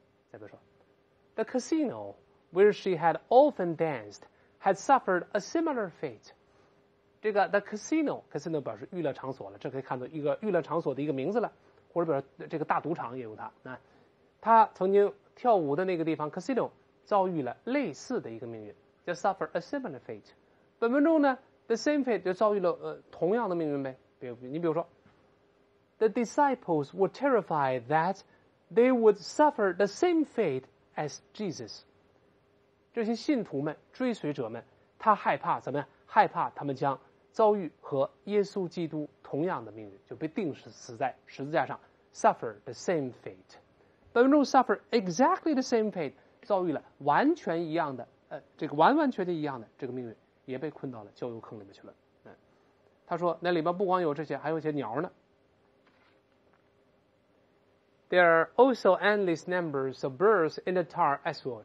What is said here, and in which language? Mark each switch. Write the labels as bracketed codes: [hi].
[zh] 再比如说 [en] ，the casino where she had often danced had suffered a similar fate。 [zh] 这个 the casino 表示娱乐场所了，这可以看作一个娱乐场所的一个名字了，或者表示这个大赌场也用它。那她曾经跳舞的那个地方 casino 遭遇了类似的一个命运，叫 [en] suffer a similar fate。 [zh] 本文中呢 ， [en] the same fate [zh] 就遭遇了同样的命运呗。你比如说 [en] The disciples were terrified that they would suffer the same fate as Jesus。 [zh] 这些信徒们追随者们他害怕怎么样，害怕他们将遭遇和耶稣基督同样的命运，就被钉死在十字架上， [en] suffer the same fate。 but no suffer exactly the same fate, [zh] 遭遇了完全一样的这个完完全全一样的这个命运，也被困到了焦油坑里面去了。他说那里边不光有这些，还有一些鸟呢。 [en] There are also endless numbers of birds in the tar as well.